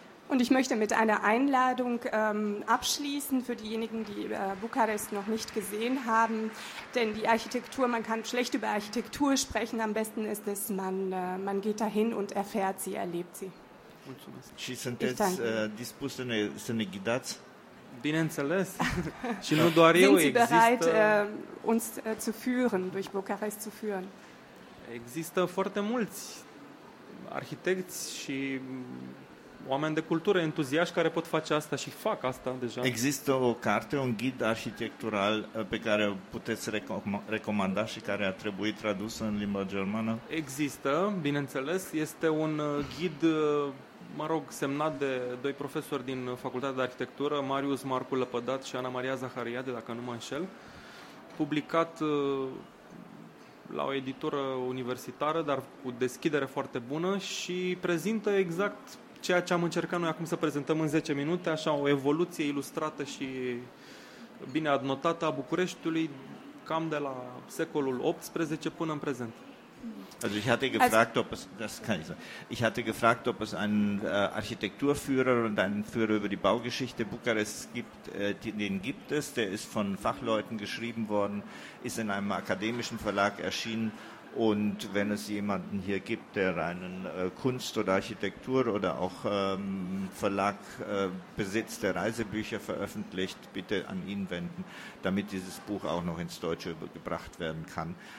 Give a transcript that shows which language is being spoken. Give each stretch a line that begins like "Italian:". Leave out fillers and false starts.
German: Und ich möchte mit einer Einladung abschließen für diejenigen, die Bukarest noch nicht gesehen haben. Denn die Architektur, man kann schlecht über Architektur sprechen. Am besten ist es, man geht dahin und erfährt sie, erlebt sie.
Romanian: Și sunteți dispus să ne ghidați? Bineînțeles. Și nu doar eu, există...
German: Sind Sie bereit, uns zu führen, durch Bukarest zu führen?
Romanian: Există foarte mulți arhitecți și oameni de cultură, entuziaști care pot face asta și fac asta deja. Există o carte, un ghid arhitectural pe care puteți recomanda și care a trebuit tradus în limba germană? Există, bineînțeles. Este un ghid, mă rog, semnat de doi profesori din Facultatea de Arhitectură, Marius Marcu Lăpădat și Ana Maria Zahariade, dacă nu mă înșel, publicat la o editură universitară, dar cu deschidere foarte bună și prezintă exact ceea ce am încercat noi acum să prezentăm în 10 minute, așa o evoluție ilustrată și bine adnotată a Bucureștiului cam de la secolul 18 până în prezent.
German: Also ich hatte gefragt, ob es einen Architekturführer und einen Führer über die Baugeschichte Bukarest gibt. Den gibt es. Der ist von Fachleuten geschrieben worden, ist in einem akademischen Verlag erschienen. Und wenn es jemanden hier gibt, der einen Kunst- oder Architektur- oder auch Verlag besitzt, der Reisebücher veröffentlicht, bitte an ihn wenden, damit dieses Buch auch noch ins Deutsche gebracht werden kann.